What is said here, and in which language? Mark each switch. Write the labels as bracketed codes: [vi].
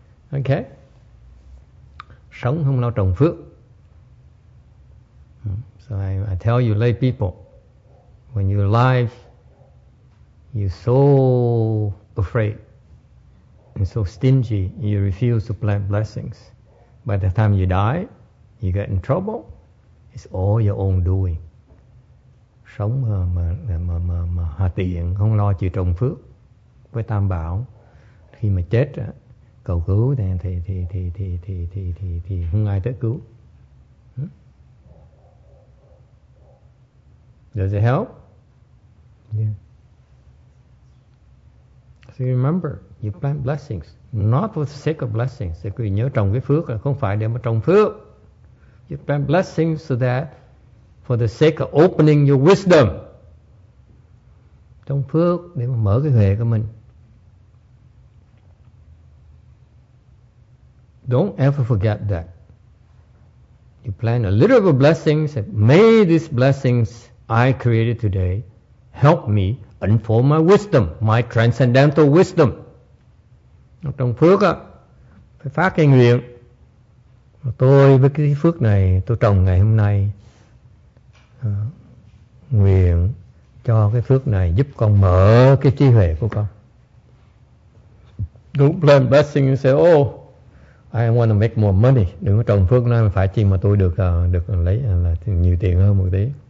[vi] Ok. Sống không lo trồng phước. [en] So I tell you lay people, when you're alive, you're so afraid and so stingy, you refuse to plant blessings. By the time you die, you get in trouble, it's all your own doing. [vi] Sống mà hà tiện, không lo chịu trồng phước với tam bảo, khi mà chết cầu cứu thì không ai tới cứu. [en] Does it help? Yeah. So remember, you plant blessings not for the sake of blessings. [vi] Thì quý vị nhớ trồng cái phước là không phải để mà trồng phước. [en] You plant blessings so that for the sake of opening your wisdom. [vi] Trong phước để mà mở cái huệ của mình. [en] Don't ever forget that. You plant a little bit of blessings and may these blessings I created today help me unfold my wisdom, my transcendental wisdom. [vi] Trong phước phải phát cái nguyện. Tôi với cái phước này tôi trồng ngày hôm nay, nguyện cho cái phước này giúp con mở cái trí huệ của con. [en] Don't plant blessing and say, oh, I want to make more money. [vi] Đừng có trồng phước nói phải chi mà tôi được được lấy là nhiều tiền hơn một tí.